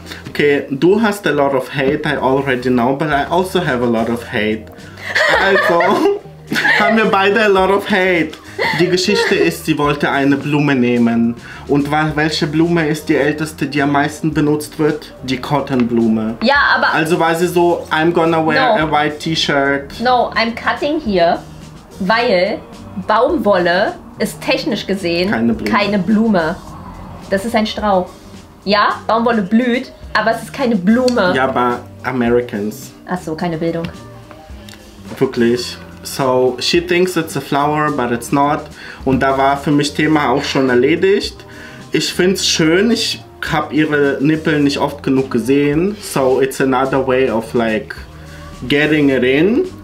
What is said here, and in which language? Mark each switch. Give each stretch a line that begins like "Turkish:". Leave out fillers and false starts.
English: Okay,
German: du hast
English: a lot of hate, I already know, but I also have a lot of hate.
German: Also, haben wir beide
English: a lot of hate.
German: Die Geschichte ist, sie wollte eine Blume nehmen. Und welche Blume ist die älteste, die am meisten benutzt wird? Die Cottonblume. Ja, aber... Also war sie so,
English: I'm gonna wear a white t-shirt. No, I'm cutting here,
German: weil Baumwolle... ist technisch gesehen keine Blume. Das ist ein Strauch. Ja, Baumwolle blüht, aber es ist keine Blume. Ja, aber Americans. Ach so, keine Bildung. Wirklich.
English: So, she thinks it's a flower, but it's not.
German: Und da war für mich Thema auch schon erledigt. Ich finde es schön, ich habe ihre Nippel nicht oft genug gesehen.
English: So, it's another way of like getting it in.